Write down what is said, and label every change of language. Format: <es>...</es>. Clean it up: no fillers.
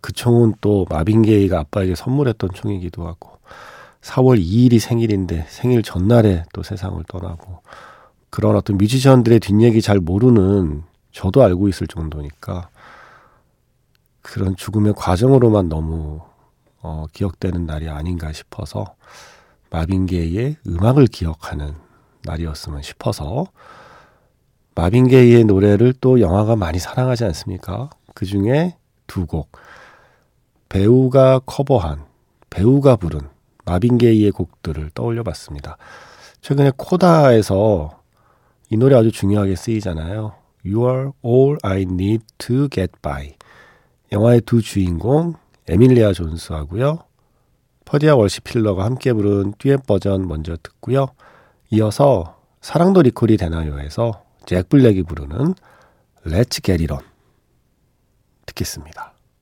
<ko>그 총은 또 마빈 게이가 아빠에게 선물했던 총이기도 하고, 4월 2일이 생일인데 생일 전날에 또 세상을 떠나고, 그런 어떤 뮤지션들의 뒷얘기 잘 모르는 저도 알고 있을 정도니까 그런 죽음의 과정으로만 너무 기억되는 날이 아닌가 싶어서, 마빈 게이의 음악을 기억하는 날이었으면 싶어서, 마빈 게이의 노래를 또 영화가 많이 사랑하지 않습니까? 그 중에 두 곡, 배우가 커버한, 배우가 부른 마빈 게이의 곡들을 떠올려봤습니다. 최근에 코다에서 이 노래 아주 중요하게 쓰이잖아요.</ko> <en>You are all I need to get by.</en> <ko>영화의 두 주인공 에밀리아 존스하고요, 퍼디아 월시 필러가 함께 부른 듀엣 버전 먼저 듣고요. 이어서 사랑도 리콜이 되나요에서 잭 블랙이 부르는 Let's Get It On 듣겠습니다.</ko>